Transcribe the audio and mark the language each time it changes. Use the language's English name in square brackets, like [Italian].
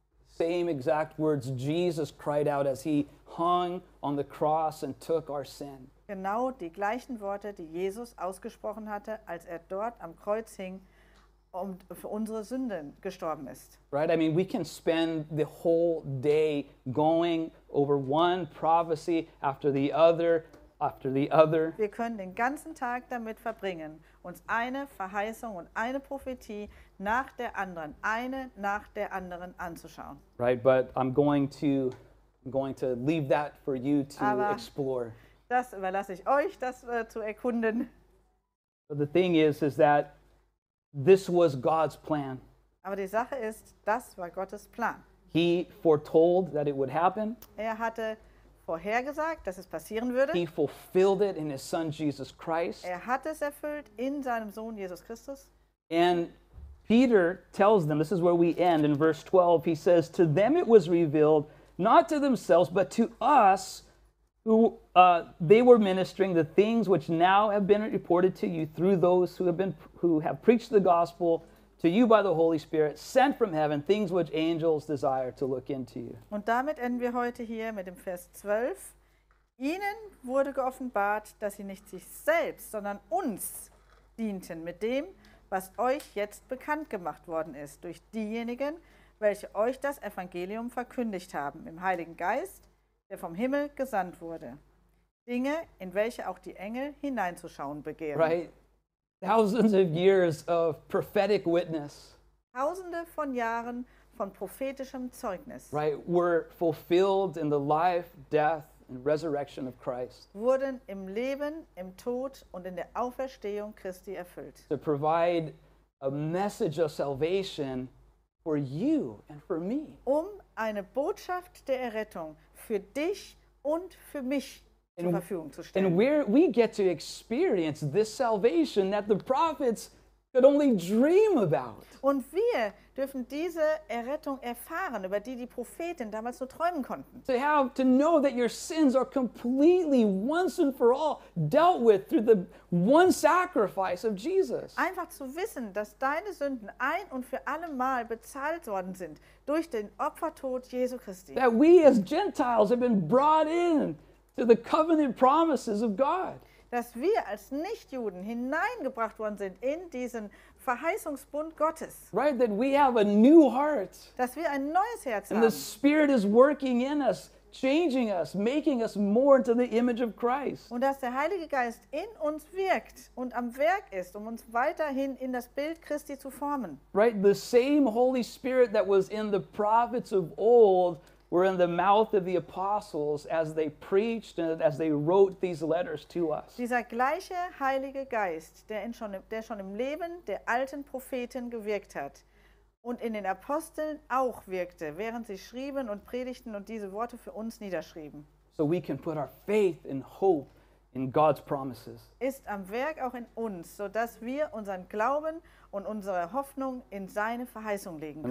[English] Same exact words Jesus cried out as he hung on the cross and took our sin. [German] Genau die gleichen Worte, die Jesus ausgesprochen hatte, als er dort am Kreuz hing und für unsere Sünden gestorben ist. [English] Right, I mean, we can spend the whole day going over one prophecy after the other, after the other. [German] Wir können den ganzen Tag damit verbringen, uns eine Verheißung und eine Prophetie nach der anderen, eine nach der anderen anzuschauen. [English] Right, but I'm going to leave that for you to explore. [German] Das überlasse ich euch, das zu erkunden. [English] But the thing is that this was God's plan. [German] Aber die Sache ist, das war Gottes Plan. [English] He foretold that it would happen. [German] Er hatte vorhergesagt, dass es passieren würde. [English] He fulfilled it in his son Jesus Christ. [German] Er hat es erfüllt in seinem Sohn Jesus Christus. [English] And Peter tells them, this is where we end in verse 12. He says, to them it was revealed, not to themselves, but to us, who they were ministering the things which now have been reported to you through those who have preached the gospel to you by the Holy Spirit, sent from heaven, things which angels desire to look into you. [German] Und damit enden wir heute hier mit dem Vers 12. Ihnen wurde geoffenbart, dass sie nicht sich selbst, sondern uns dienten mit dem, was euch jetzt bekannt gemacht worden ist, durch diejenigen, welche euch das Evangelium verkündigt haben, im Heiligen Geist, der vom Himmel gesandt wurde. Dinge, in welche auch die Engel hineinzuschauen begehren. [English] Right. Thousands of years of prophetic witness. [German] Tausende von Jahren von prophetischem Zeugnis. [English] Right, were fulfilled in the life, death, and resurrection of Christ. [German] Wurden im Leben, im Tod und in der Auferstehung Christi erfüllt. [English] To provide a message of salvation for you and for me. [German] Um eine Botschaft der Errettung für dich und für mich zur Verfügung zu stellen. [English] And we get to experience this salvation that the prophets could only dream about. [German] Und wir dürfen diese Errettung erfahren, über die Propheten damals nur träumen konnten. [English] To know that your sins are completely once and for all dealt with through the one sacrifice of Jesus. [German] Einfach zu wissen, dass deine Sünden ein und für alle Mal bezahlt worden sind durch den Opfertod Jesu Christi. [English] That we as Gentiles have been brought in to the covenant promises of God. [German] Dass wir als Nichtjuden hineingebracht worden sind in diesen Verheißungsbund Gottes. [English] Right, that we have a new heart. [German] Dass wir ein neues Herz haben. [English] And the Spirit is working in us, changing us, making us more into the image of Christ. [German] Und dass der Heilige Geist in uns wirkt und am Werk ist, um uns weiterhin in das Bild Christi zu formen. [English] Right, the same Holy Spirit that was in the prophets of old were in the mouth of the apostles as they preached and as they wrote these letters to us. [German] Dieser gleiche Heilige Geist, der schon im Leben der alten Propheten gewirkt hat und in den Aposteln auch wirkte, während sie schrieben und predigten und diese Worte für uns niederschrieben. [English] So we can put our faith and hope in God's promises. [German] Ist am Werk auch in uns, so dass wir unseren Glauben und unsere Hoffnung in seine Verheißung legen können.